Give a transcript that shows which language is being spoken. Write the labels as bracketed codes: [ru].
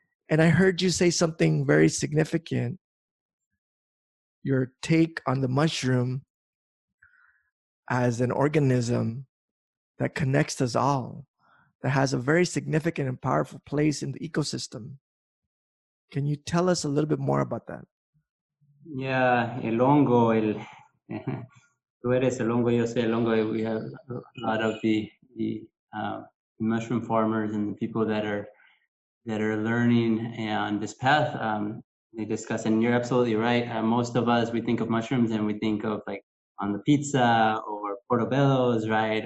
[en] And I heard you say something very significant. Your take on the mushroom as an organism that connects us all, that has a very significant and powerful place in the ecosystem. Can you tell us a little bit more about that? Yeah, [es] el hongo, el... Tú eres el hongo, yo soy el hongo. [en] We have a lot of the mushroom farmers and the people that are learning on this path. They discuss, and you're absolutely right. Most of us, we think of mushrooms and we think of like on the pizza or portobellos, right?